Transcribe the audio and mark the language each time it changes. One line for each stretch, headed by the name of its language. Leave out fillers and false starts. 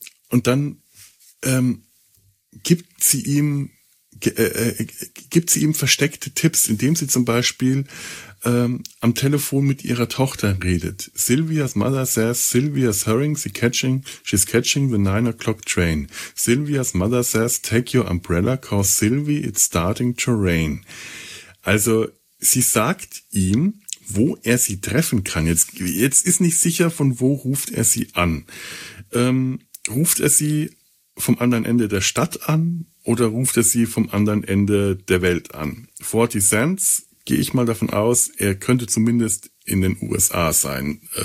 German: Und dann gibt sie ihm versteckte Tipps, indem sie zum Beispiel am Telefon mit ihrer Tochter redet.
English: Sylvia's mother says, Sylvia's hurrying, she's catching the 9 o'clock train. Sylvia's mother says, take your umbrella, cause Sylvie, it's starting to rain.
German: Also, sie sagt ihm, wo er sie treffen kann. Jetzt ist nicht sicher, von wo ruft er sie an. Ruft er sie vom anderen Ende der Stadt an oder ruft er sie vom anderen Ende der Welt an? 40 Cents, gehe ich mal davon aus, er könnte zumindest in den USA sein.